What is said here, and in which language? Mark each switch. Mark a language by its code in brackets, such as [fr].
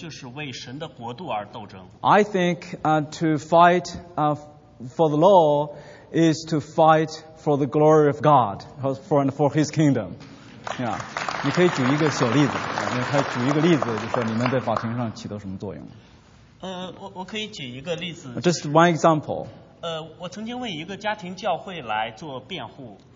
[zh] 我认为，为法律而斗争就是为神的国度而斗争。 [en] I think, to fight, for the law is to fight for the glory of God, for His kingdom. Yeah. [zh] 你可以举一个小例子，就是你们在法庭上起到什么作用。我可以举一个例子。 [en] Just one example. [zh] 我曾经为一个家庭教会来做辩护。